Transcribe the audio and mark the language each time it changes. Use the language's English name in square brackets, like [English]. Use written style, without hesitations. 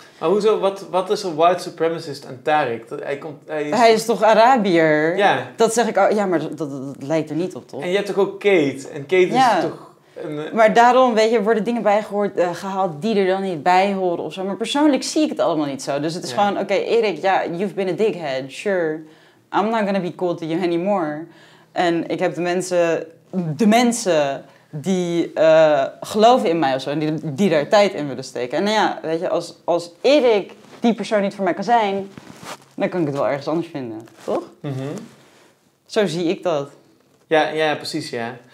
[Dutch] Maar hoezo, wat is een white supremacist aan Tarik? Hij is toch Arabier? Ja. Dat zeg ik, ja, maar dat lijkt er niet op, toch? En je hebt toch ook Kate? En Kate is toch... Maar daarom, weet je, worden dingen bijgehaald die er dan niet bij horen of zo. Maar persoonlijk zie ik het allemaal niet zo. Dus het is gewoon, oké, Erik, ja, [English] you've been a dickhead, sure. I'm not gonna be cool to you anymore. [Dutch] En ik heb de mensen... die geloven in mij of zo en die daar tijd in willen steken. En nou ja, weet je, als Erik die persoon niet voor mij kan zijn, dan kan ik het wel ergens anders vinden, toch? Mm-hmm. Zo zie ik dat. Ja, precies, ja.